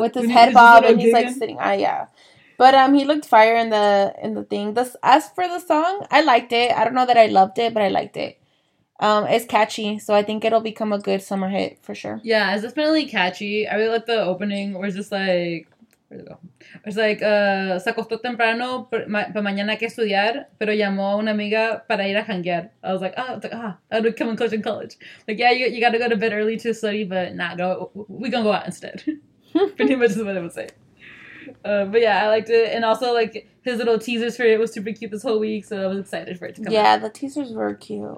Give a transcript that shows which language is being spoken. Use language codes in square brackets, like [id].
[en] With his head bob and he's, like, sitting... Ah, yeah. But he looked fire in the thing. This, as for the song, I liked it. I don't know that I loved it, but I liked it. It's catchy, so I think it'll become a good summer hit for sure. Yeah, it's definitely catchy. I really like the opening where it's just, like... It's like, [es] se acostó temprano para mañana que estudiar, pero llamó a una amiga para ir a janguear. [en] I was like, I would come and coach in college. Like, yeah, you gotta go to bed early to study, but nah, go, we gonna go out instead. Pretty much is what I would say. But yeah, I liked it. And also, like, his little teasers for it was super cute this whole week, so I was excited for it to come out. Yeah, the teasers were cute.